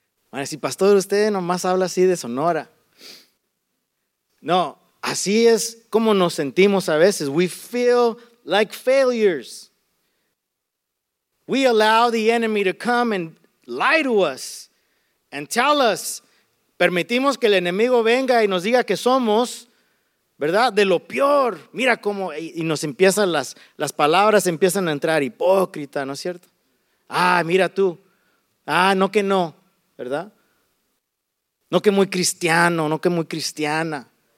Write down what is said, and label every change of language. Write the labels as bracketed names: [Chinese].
[Spanish] Bueno, si pastor, usted nomás habla así de Sonora. No, así es como nos sentimos a veces. [English] We feel like failures. We allow the enemy to come and lie to us and tell us. [Spanish] Permitimos que el enemigo venga y nos diga que somos, ¿verdad?, de lo peor. Mira cómo, y nos empiezan las palabras, empiezan a entrar, hipócrita, ¿no es cierto? Ah, mira tú. Ah, no que no, ¿verdad? No que muy cristiano, no que muy cristiana.